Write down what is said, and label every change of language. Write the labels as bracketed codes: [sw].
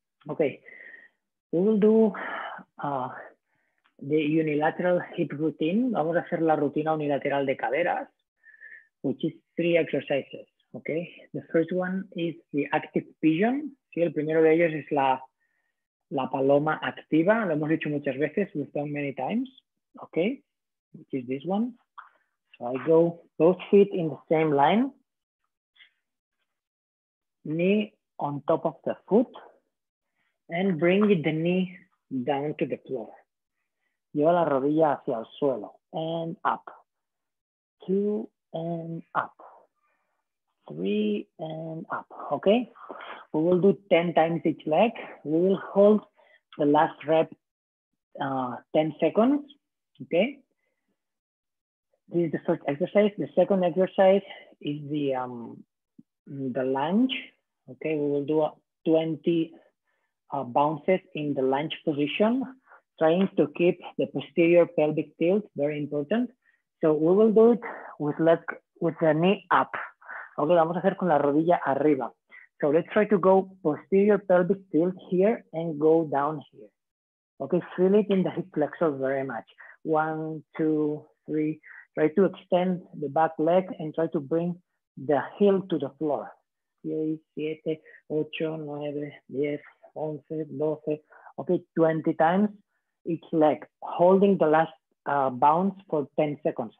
[en] Okay, we will do the unilateral hip routine. [es] Vamos a hacer la rutina unilateral de caderas, [en] which is three exercises. Okay, the first one is the active pigeon. [es] Sí, el primero de ellos es la paloma activa. Lo hemos dicho muchas veces. [en] We've done many times. Okay, which is this one. So I go both feet in the same line. Knee on top of the foot and bring the knee down to the floor. [es] Lleva la rodilla hacia el suelo [en] and up. Two and up. Three and up. Okay? We will do 10 times each leg. We will hold the last rep 10 seconds. Okay? This is the first exercise. The second exercise is the lunge. Okay, we will do 20 bounces in the lunge position, trying to keep the posterior pelvic tilt, very important. So we will do it with the knee up. [es] Okay, vamos a hacer con la rodilla arriba. [en] So let's try to go posterior pelvic tilt here and go down here. Okay, feel it in the hip flexor very much. One, two, three. Try to extend the back leg and try to bring the heel to the floor. 7, 8, 9, 10, 11, 12, okay, 20 times each leg, holding the last bounce for 10 seconds.